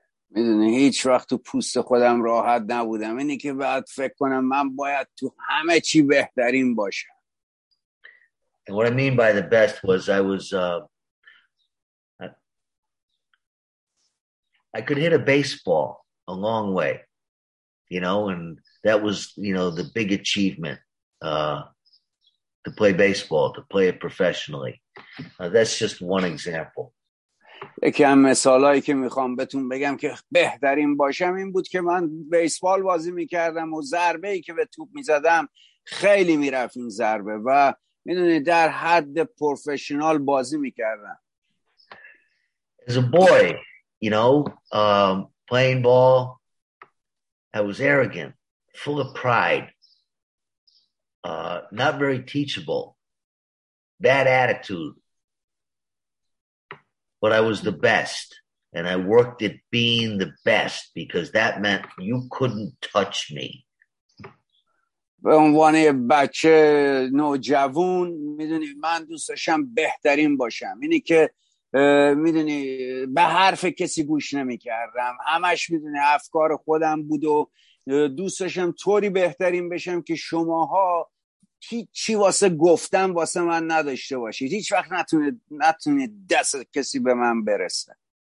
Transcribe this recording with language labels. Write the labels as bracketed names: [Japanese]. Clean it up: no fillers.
[Persian] میدونی هیچ وقت تو پوست خودم راحت نبودم. اینی که باید فکر کنم من باید تو همه چی بهترین باشم. [English] And what I mean by the best was I was I could hit a baseball a long way, and that was, the big achievement, to play baseball, to play it professionally. That's just one example. [Persian] یکی از مثالایی که میخوام بهتون بگم که بهترین باشم این بود که من بیسبال بازی میکردم و ضربه ای که به توپ میزدم خیلی میرفت این ضربه و میدونی در حد پروفشنال بازی میکردم. [English] as a boy, you know, playing ball, I was arrogant, full of pride, not very teachable, bad attitude. But I was the best, and I worked at being the best because that meant you couldn't touch me. [Persian] به عنوان بچه نوجوان میدونی من دوست داشتم بهترین باشم، اینی که میدونی به حرف کسی گوش نمی کردم، همش میدونی افکار خودم بود و دوست داشتم طوری بهترین بشم که شماها هیچی واسه گفتن واسه من نداشته باشید، هیچ وقت نتونه دست کسی به من برسه.